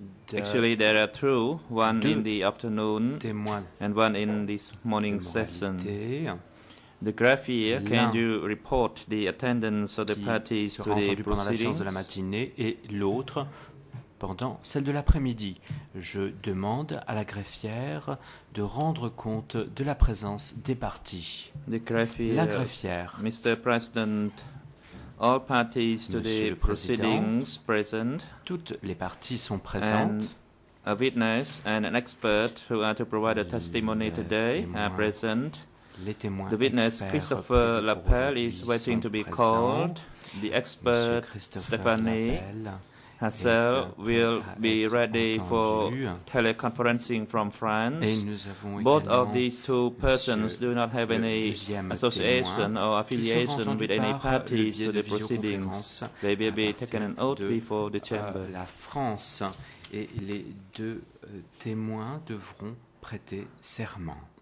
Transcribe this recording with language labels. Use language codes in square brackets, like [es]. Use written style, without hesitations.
[en] de actually, there are two, one in the afternoon and one in this morning session. The graph here, can you report the attendance of the parties to the proceedings? [fr] De la matinée et l'autre pendant celle de l'après-midi. Je demande à la greffière de rendre compte de la présence des parties. La greffière. [en] Mr. President, all parties to the proceedings present. [fr] Toutes les parties sont présentes. [en] A witness and an expert who are to provide a testimony today are present. [fr] Les témoins. [en] The witness Christopher Lapel is waiting to be called. The expert Stephane Hessel will be ready for teleconferencing from France. [fr] Et nous avons [en] both of these two persons do not have any association or affiliation with any parties to the proceedings. They will be taken an oath before the chamber. [fr] La France et les deux témoins devront prêter serment.